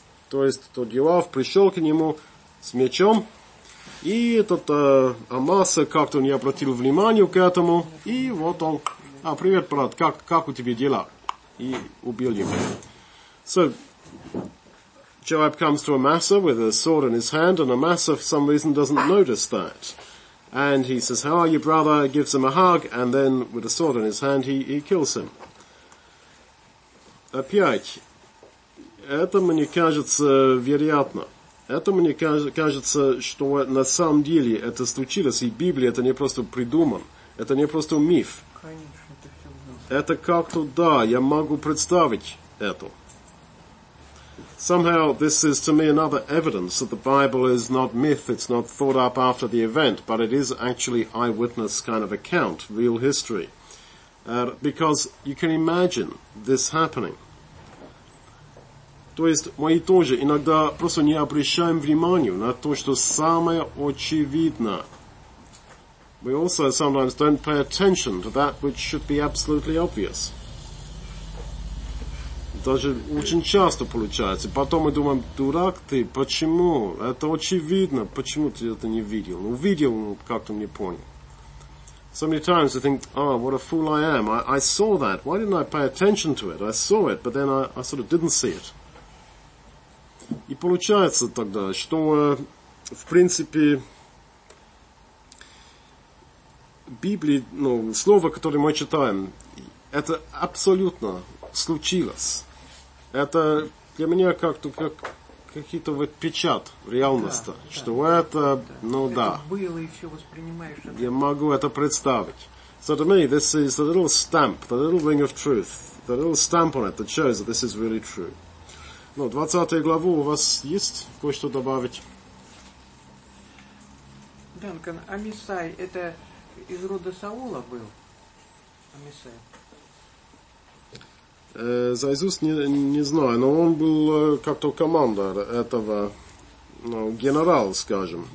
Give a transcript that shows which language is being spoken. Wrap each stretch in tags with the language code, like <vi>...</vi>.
<ru>То есть тот Йоав пришел к нему с мечом, и этот Амаса как-то не обратил внимания к этому. И вот он. А, привет, брат, как у тебя дела? И убил его.</ru> <en>So, Joab comes to Amasa with a sword in his hand, and Amasa for some reason doesn't notice that. And he says, how are you, brother? Gives him a hug, and then with a sword in his hand, he kills him.</en> <ru>Опять. Это мне кажется вероятно. Это мне кажется, что на самом деле это случилось, и Библия это не просто придуман, это не просто миф. Конечно, это как-то да, я могу представить это.</ru> <en>Somehow this is to me another evidence that the Bible is not myth, it's not thought up after the event, but it is actually eyewitness kind of account, real history. Because you can imagine this happening.</en> <ru>То есть мы тоже иногда просто не обращаем внимания на то, что самое очевидное.</ru> <en>We also sometimes don't pay attention to that which should be absolutely obvious.</en> <ru>Даже очень часто получается. Потом мы думаем, дурак ты, почему? Это очевидно, почему ты это не видел? Ну, видел, ну, как-то не понял.</ru> <en>So many times I think, oh, what a fool I am. I saw that. Why didn't I pay attention to it? I saw it, but then I sort of didn't see it.</en> <ru>И получается тогда, что, в принципе, Библии, ну, слово, которое мы читаем, это абсолютно случилось. Это для меня как-то как какие-то вот печат реальности, да, что да, это, да. Ну это да. Было, и все воспринимаешь, это... Я могу это представить.</ru> <en>So to me, this is the little stamp, the little ring of truth, the little stamp on it that shows that this is really true.</en> <ru>Ну, 20 главу у вас есть кое-что добавить? Данкан, Амисай, это из рода Саула был? Амисай? За Иисус не знаю, но он был как-то командор этого, ну, генерал, скажем.</ru>